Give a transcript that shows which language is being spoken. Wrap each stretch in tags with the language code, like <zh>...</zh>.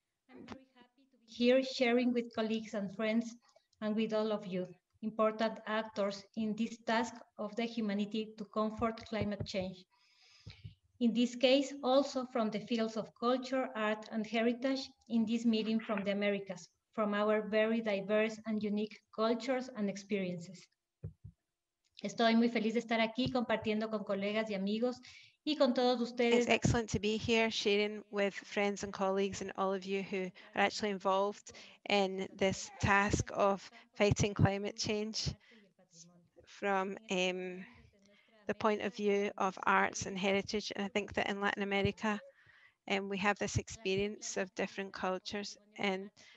<en>I'm very happy to be here sharing with colleagues and friends and with all of you, important actors in this task of the humanity to confront climate change. In this case, also from the fields of culture, art, and heritage in this meeting from the Americas, from our very diverse and unique cultures and experiences.</en> <es>Estoy muy feliz de estar aquí compartiendo con colegas y amigos y con todos ustedes.</es> <en>It's excellent to be here sharing with friends and colleagues and all of you who are actually involved in this task of fighting climate change from the point of view of arts and heritage. And I think that in Latin America, we have this experience of different cultures, and</en>